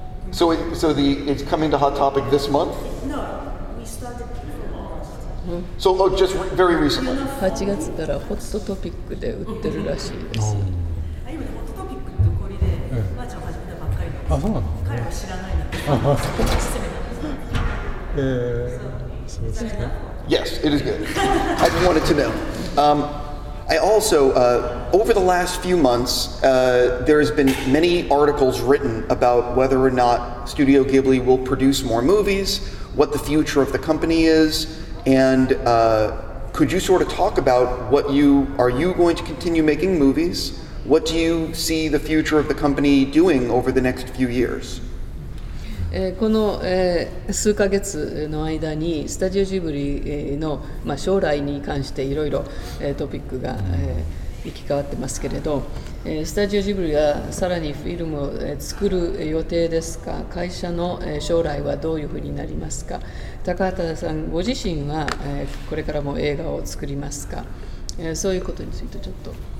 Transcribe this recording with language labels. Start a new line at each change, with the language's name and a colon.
English: So it's coming to Hot Topic this month? No, we started in August. So just very recently.
Japanese: 8月からホットトピックで売ってるらしいです。今ホットトピックってこれでマーちゃん始めたばっかりの。あ、そうなの。彼は知らないなって。
English: So it's good. Yes, it is good. I just wanted to know. I also, over the last few months, there has been many articles written about whether or not Studio Ghibli will produce more movies, what the future of the company is, and could you sort of talk about what you, are you going to continue making movies? What do you see the future of the company doing over the next few years?
Japanese: この数ヶ月の間にスタジオジブリの将来に関していろいろトピックが行き交わってますけれど、スタジオジブリがさらにフィルムを作る予定ですか、会社の将来はどういうふうになりますか、高畑さんご自身はこれからも映画を作りますか、そういうことについてちょっと。